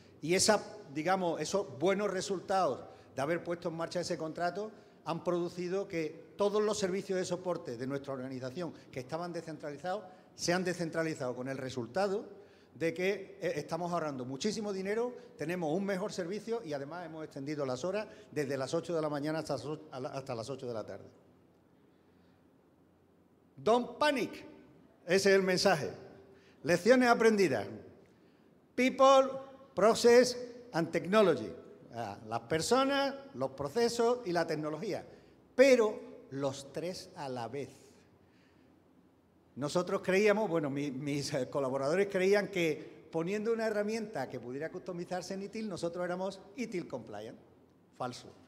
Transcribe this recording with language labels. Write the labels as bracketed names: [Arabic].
[Spanish] Y esos buenos resultados de haber puesto en marcha ese contrato han producido que todos los servicios de soporte de nuestra organización que estaban descentralizados se han descentralizado con el resultado de que estamos ahorrando muchísimo dinero, tenemos un mejor servicio y además hemos extendido las horas desde las 8 de la mañana hasta las 8 de la tarde. [English] Don't panic, [Spanish] ese es el mensaje. Lecciones aprendidas. [English] People, process and technology. [Spanish] Las personas, los procesos y la tecnología. Pero los tres a la vez. Nosotros creíamos, bueno, mis colaboradores creían que poniendo una herramienta que pudiera customizarse en ITIL, nosotros éramos ITIL compliant. Falso.